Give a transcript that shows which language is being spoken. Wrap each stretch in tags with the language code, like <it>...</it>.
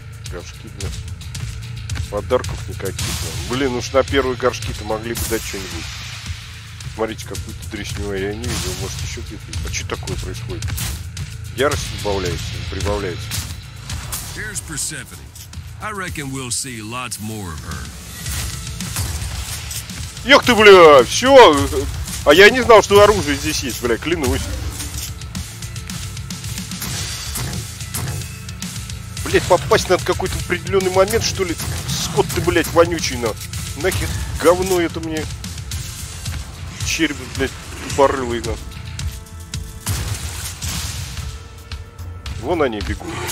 <ru>Гашки, блядь. Подарков никаких. Блин, уж на первые горшки-то могли бы дать что-нибудь. Смотрите, какую-то дресню я не видел. Может, еще где-то. А что такое происходит? Ярость добавляется, прибавляется.</ru> <en>Here's Persephone. I reckon we'll see lots more of her.</en> <ru>Ёх ты, бля, все. А я не знал, что оружие здесь есть, бля, клянусь. Блять, попасть надо в какой-то определенный момент, что ли? Скот ты, блять, вонючий, нахуй. Нахер говно это мне. Череп, блять, тупорылый, нахуй. Вон они бегут.</ru>